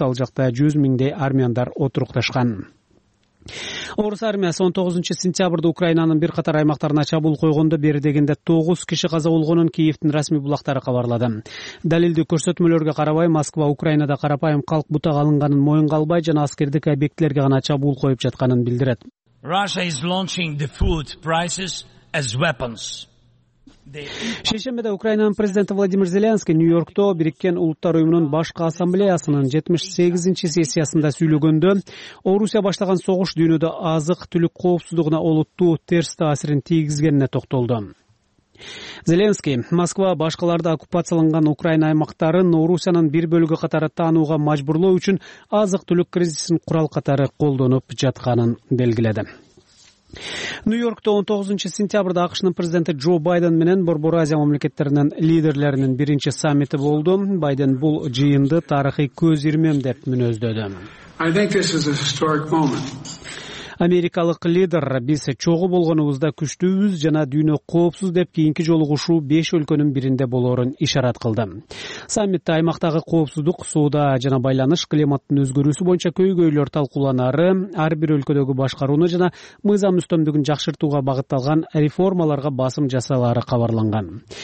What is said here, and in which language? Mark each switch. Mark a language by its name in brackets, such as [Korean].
[Kyrgyz] Ал жакта 100 000 армяндар отурукташкан. Орус армиясы 19-сентябрда Украинанын бир катар аймактарына чабуул койгондо бери дегенде 9 киши каза болгонун Киевтин расмий булактары кабарлады. Далилдүү көрсөтмөлөргө карабай, Москва Украинада карапайым калк бутага алынганын моюнга албай жана аскердик объектилерге гана чабуул коюп жатканын билдирет. [English] Russia is launching the food prices as weapons. [Kyrgyz] Шейшембеде Украинанын президенти Владимир Зеленский Нью-Йоркто Бириккен Улуттар Уюмунун Башкы Ассамблеясынын 78-нчи сессиясында сүйлөгөндө Орусия баштаган согуш дүйнөдө азык түлүк коопсуздугуна олуттуу терс таасирин тийгизгенине токтолду. Зеленский Москва башкаларды оккупацияланган Украина аймактарын Орусиянын бир бөлүгү катары таанууга мажбурлоо үчүн азык түлүк кризисин курал катары колдонуп жатканын белгиледи. Нью-Йоркто 19-сентябрда АКШнын президенти Джо Байден менен Борбор Азия мамлекеттеринин лидерлеринин биринчи саммити болду. Байден бул жыйынды тарыхый көз ирмем деп мүнөздөдү. [English] I think this is a historic moment. [Kyrgyz] Америкалык лидер, биз чогуу болгонубузда күчтүүбүз жана дүйнө коопсуз деп кийинки жолугушуу 5 өлкөнүн биринде болорун ишарат кылды. Саммитте аймактагы коопсуздук, соода жана байланыш, климаттын өзгөрүүсү боюнча көйгөйлөр талкууланары, ар бир өлкөдөгү башкарууну жана мыйзам үстөмдүгүн жакшыртууга багытталган реформаларга басым жасалары кабарланган.